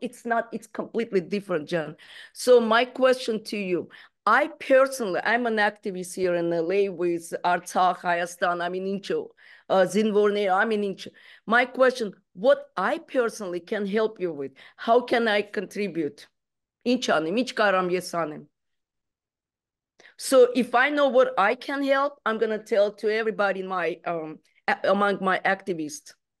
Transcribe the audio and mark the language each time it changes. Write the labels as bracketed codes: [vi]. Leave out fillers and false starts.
[en] It's completely different, Jan. So my question to you, I'm an activist here in LA with Artsakh, Hayastan, [hy] Amininchu, Zinvorne, Amininchu. [en] My question, what I personally can help you with? How can I contribute [hy] ինչ անեմ, ինչ կարամ ես անեմ. [en] So if I know what I can help, I'm going to tell to everybody in my among my activists.